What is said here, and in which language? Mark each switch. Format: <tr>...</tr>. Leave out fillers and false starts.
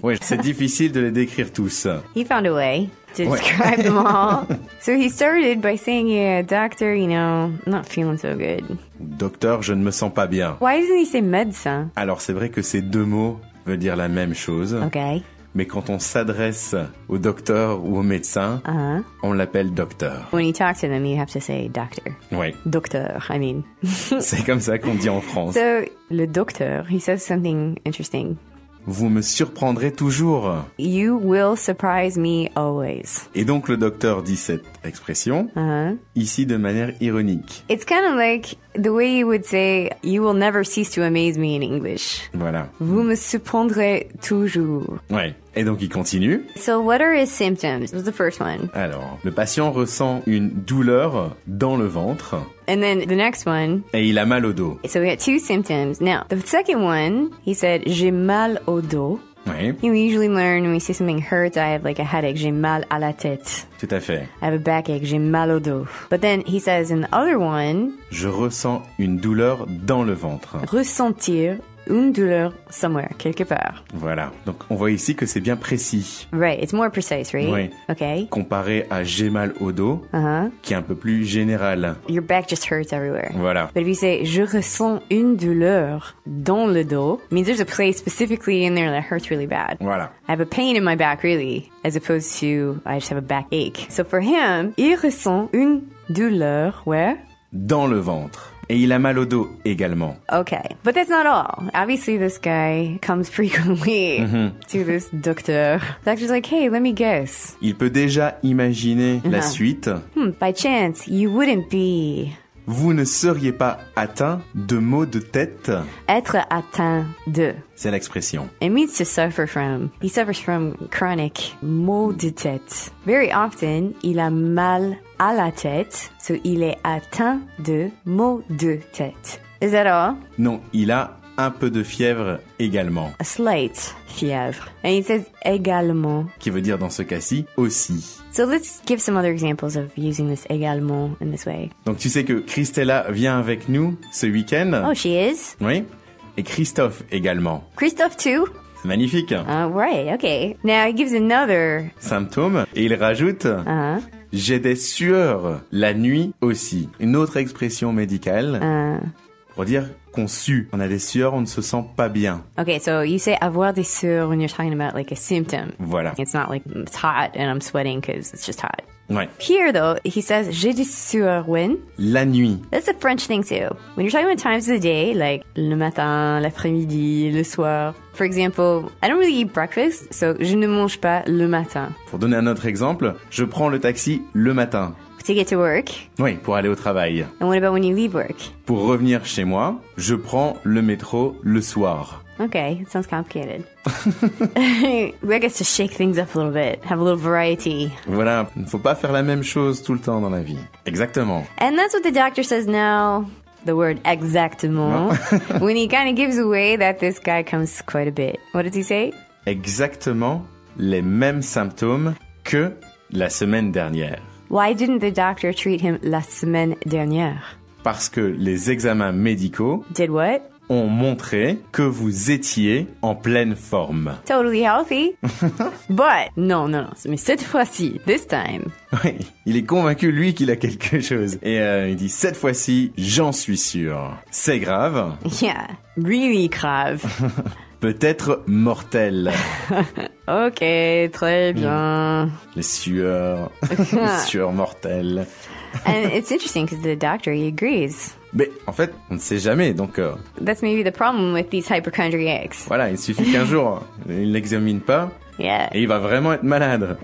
<fr>Oui, c'est difficile de les décrire tous.</fr> <en>He found a way to describe them all. So he started by saying, yeah, doctor, you know, not feeling so good.</en> <fr>Docteur, je ne me sens pas bien.</fr> <en>Why doesn't he say médecin?</en> <fr>Alors, c'est vrai que ces deux mots veulent dire la même chose.</fr> <en>Okay.</en> <fr>Mais quand on s'adresse au docteur ou au médecin, on l'appelle docteur.</fr> <en>When you talk to them, you have to say doctor.</en> <fr>Oui.</fr> <en>Docteur, I mean.</en> <fr>C'est comme ça qu'on dit en France.</fr> <en>So, le docteur, he says something interesting.</en> <fr>Vous me surprendrez toujours.</fr> <en>You will surprise me always.</en> <fr>Et donc le docteur dit cette expression, ici de manière ironique.</fr> <en>It's kind of like the way you would say, you will never cease to amaze me in English.</en> <fr>Voilà. Vous me surprendrez toujours. Ouais. Et donc il continue.</fr> <en>So what are his symptoms? It was the first one.</en> <fr>Alors, le patient ressent une douleur dans le ventre.</fr> <en>And then the next one.</en> <fr>Et il a mal au dos.</fr> <en>So we got two symptoms. Now, the second one, he said,</en> <fr>j'ai mal au dos. Oui.</fr> <en>You know, we usually learn when we say something hurts, I have like a headache,</en> <fr>j'ai mal à la tête. Tout à fait.</fr> <en>I have a backache,</en> <fr>j'ai mal au dos.</fr> <en>But then he says in the other one.</en> <fr>Je ressens une douleur dans le ventre. Ressentir une douleur somewhere, quelque part. Voilà. Donc on voit ici que c'est bien précis.</fr> <en>Right, it's more precise, right?</en> <fr>Oui.</fr> <en>Okay.</en> <fr>Comparé à j'ai mal au dos, qui est un peu plus général.</fr> <en>Your back just hurts everywhere.</en> <fr>Voilà.</fr> <en>But if you say</en> <fr>je ressens une douleur dans le dos,</fr> <en>means there's a place specifically in there that hurts really bad.</en> <fr>Voilà.</fr> <en>I have a pain in my back really, as opposed to I just have a backache. So for him,</en> <fr>il ressent une douleur</fr> <en>where?</en> <fr>Dans le ventre. Et il a mal au dos également.</fr> <en>Okay, but that's not all. Obviously, this guy comes frequently to this doctor. The doctor's like, hey, let me guess.</en> <fr>Il peut déjà imaginer la suite.</fr> <en>By chance, you wouldn't be.</en> <fr>Vous ne seriez pas atteint de maux de tête. Être atteint de. C'est l'expression.</fr> <en>It means to suffer from. He suffers from chronic maux de tête. Very often,</en> <fr>il a mal à la tête, so il est atteint de maux de tête.</fr> <en>Is that all?</en> <fr>Non, il a un peu de fièvre également.</fr> <en>A slight fièvre. And he says également.</en> <fr>Qui veut dire dans ce cas-ci, aussi.</fr> <en>So let's give some other examples of using this également in this way.</en> <fr>Donc tu sais que Christella vient avec nous ce week-end.</fr> <en>Oh, she is?</en> <fr>Oui. Et Christophe également.</fr> <en>Christophe too?</en> <fr>C'est magnifique.</fr> <en>Right, okay. Now he gives another</en> <fr>symptôme et il rajoute j'ai des sueurs la nuit aussi. Une autre expression médicale pour dire qu'on sue. On a des sueurs, on ne se sent pas bien.</fr> <en>Okay, so you say</en> <fr>avoir des sueurs</fr> <en>when you're talking about like a symptom.</en> <fr>Voilà.</fr> <en>It's not like it's hot and I'm sweating because it's just hot.</en> <fr>Ouais.</fr> <en>Here though, he says</en> <fr>j'ai des sueurs</fr> <en>when?</en> <fr>La nuit.</fr> <en>That's a French thing too. When you're talking about times of the day, like le matin, l'après-midi, le soir. For example, I don't really eat breakfast, so</en> <fr>je ne mange pas le matin. Pour donner un autre exemple, je prends le taxi le matin.</fr> <en>To get to work.</en> <fr>Oui, pour aller au travail.</fr> <en>And what about when you leave work?</en> <fr>Pour revenir chez moi, je prends le métro le soir.</fr> <en>Okay, it sounds complicated. I guess to shake things up a little bit, have a little variety.</en> <fr>Voilà, il ne faut pas faire la même chose tout le temps dans la vie. Exactement.</fr> <en>And that's what the doctor says now, the word exactement, when he kind of gives away that this guy comes quite a bit. What does he say?</en> <fr>exactement les mêmes symptômes que la semaine dernière.</fr> <en>Why didn't the doctor treat him</en> <fr>la semaine dernière? Parce que les examens médicaux</fr> <en>did what?</en> <fr>Ont montré que vous étiez en pleine forme.</fr> <en>Totally healthy. But,</en> <fr>non, mais cette fois-ci,</fr> <en>this time.</en> <fr>Oui, il est convaincu, lui, qu'il a quelque chose. Et il dit, cette fois-ci, j'en suis sûr. C'est grave.</fr> <en>Yeah, really grave.</en> <fr>Peut-être mortel. Ok, très bien. Les sueurs. Les sueurs mortelles.</fr> <en>And it's interesting because the doctor, he agrees.</en> <fr>Mais en fait, on ne sait jamais, donc...</fr> <en>That's maybe the problem with these hypochondriacs.</en> <fr>Voilà, il suffit qu'un jour, il n'examine pas.</fr> <en>Yeah.</en> <fr>Et il va vraiment être malade.</fr>